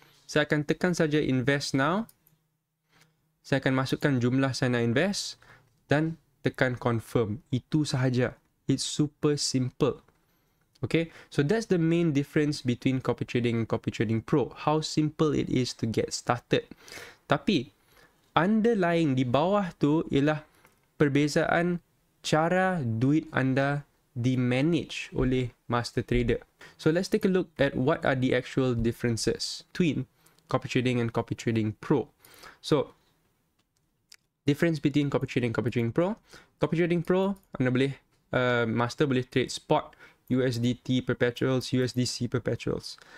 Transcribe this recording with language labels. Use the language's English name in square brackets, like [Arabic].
[Malay] Saya akan tekan saja invest now. Saya akan masukkan jumlah saya nak invest dan tekan confirm. Itu sahaja. [English] It's super simple. Okay, so that's the main difference between copy trading and copy trading pro. How simple it is to get started. [Malay] Tapi, underlying di bawah tu ialah perbezaan cara duit anda di-manage oleh master trader. [English] So, let's take a look at what are the actual differences between copy trading and copy trading pro. So, difference between copy trading and copy trading pro. [Malay] Copy trading pro, anda boleh, master boleh trade spot, USDT perpetuals, USDC perpetuals.